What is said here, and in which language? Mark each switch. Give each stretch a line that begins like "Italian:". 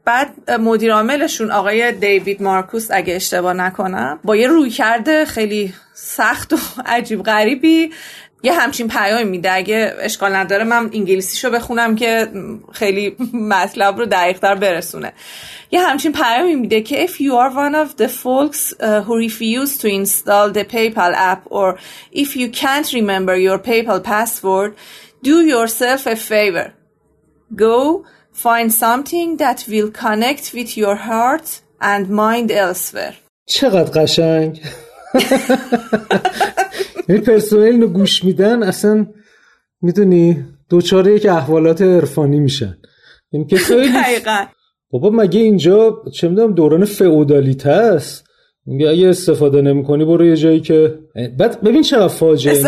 Persian: بعد مدیر عاملشون آقای دیوید مارکوس اگه اشتباه نکنم با یه رویکرد خیلی سخت و عجیب غریبی یه همچین پیامی میده. اگه اشکال نداره من انگلیسیشو بخونم که خیلی مطلب رو دقیق‌تر برسونه. یه همچین پیامی میده که
English: if you are one of the folks who refuse to install the PayPal app or if you can't remember your PayPal password, do yourself a favor. Go find something that will connect with your heart and mind elsewhere.
Persian: چقدر قشنگ. این پرسنل رو گوش میدن، اصلا میدونی دوچار یک احوالات عرفانی میشن. این که خیلی بابا مگه اینجا چه میدونم دوران فئودالیته است؟ میگه اگه استفاده نمیکنی برو یه جایی که بعد ببین چه فاجعه میشه